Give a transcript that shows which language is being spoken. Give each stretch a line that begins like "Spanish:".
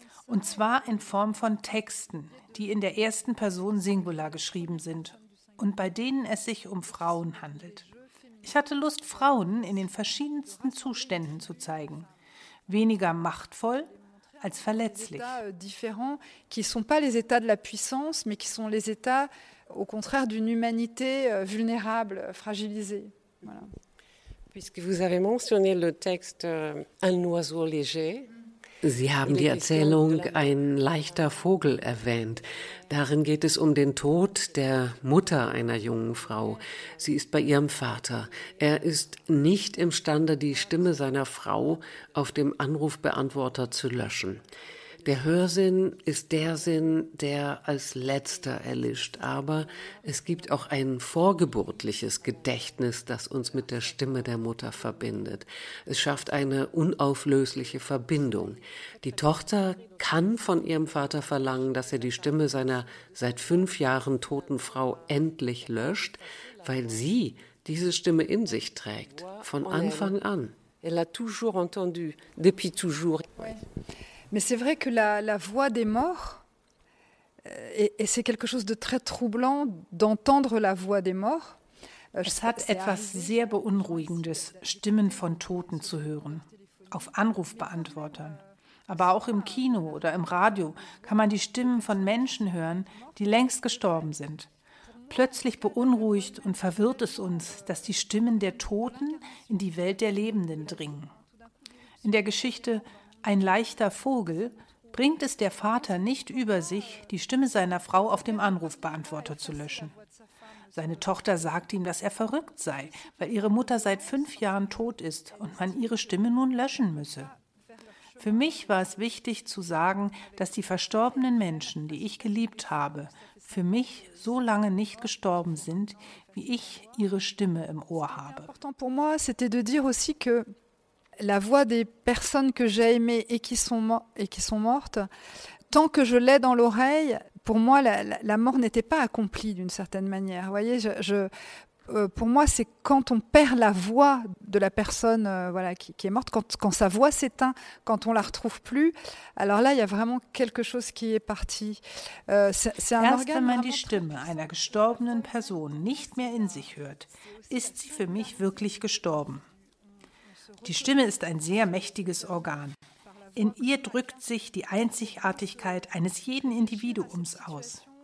German: Und zwar in Form von Texten, die in der ersten Person Singular geschrieben sind und bei denen es sich um Frauen handelt. Ich hatte Lust, Frauen in den verschiedensten Zuständen zu zeigen. Weniger machtvoll als verletzlich.
French: Différents qui sont pas les états de la puissance, mais qui sont les états au contraire d'une humanité vulnérable, fragilisée. Voilà. Puisque vous avez mentionné le texte Un oiseau léger.
German: Sie haben die Erzählung Ein leichter Vogel erwähnt. Darin geht es um den Tod der Mutter einer jungen Frau. Sie ist bei ihrem Vater. Er ist nicht imstande, die Stimme seiner Frau auf dem Anrufbeantworter zu löschen. Der Hörsinn ist der Sinn, der als letzter erlischt. Aber es gibt auch ein vorgeburtliches Gedächtnis, das uns mit der Stimme der Mutter verbindet. Es schafft eine unauflösliche Verbindung. Die Tochter kann von ihrem Vater verlangen, dass er die Stimme seiner seit 5 Jahren toten Frau endlich löscht, weil sie diese Stimme in sich trägt, von Anfang an.
French: Elle a toujours entendu, depuis toujours. Mais c'est vrai que la voix des morts, et c'est quelque chose de très troublant d'entendre la voix des morts.
German: Es hat etwas sehr Beunruhigendes, Stimmen von Toten zu hören, auf Anrufbeantwortern. Aber auch im Kino oder im Radio kann man die Stimmen von Menschen hören, die längst gestorben sind. Plötzlich beunruhigt und verwirrt es uns, dass die Stimmen der Toten in die Welt der Lebenden dringen. In der Geschichte Ein leichter Vogel bringt es der Vater nicht über sich, die Stimme seiner Frau auf dem Anrufbeantworter zu löschen. Seine Tochter sagt ihm, dass er verrückt sei, weil ihre Mutter seit 5 Jahren tot ist und man ihre Stimme nun löschen müsse. Für mich war es wichtig zu sagen, dass die verstorbenen Menschen, die ich geliebt habe, für mich so lange nicht gestorben sind, wie ich ihre Stimme im Ohr habe. Für mich war es wichtig zu sagen, dass
French: la voix des personnes que j'ai aimées et qui sont mortes, tant que je l'ai dans l'oreille, pour moi, la mort n'était pas accomplie d'une certaine manière. Vous voyez, pour moi, c'est quand on perd la voix de la personne qui est morte, quand sa voix s'éteint, quand on ne la retrouve plus, alors là, il y a vraiment quelque chose qui est parti. C'est un organe.
German: Erst wenn man die Stimme einer gestorbenen Person nicht mehr in sich hört, ist sie für mich wirklich gestorben. Die Stimme ist ein sehr mächtiges Organ. In ihr drückt sich die Einzigartigkeit eines jeden Individuums aus.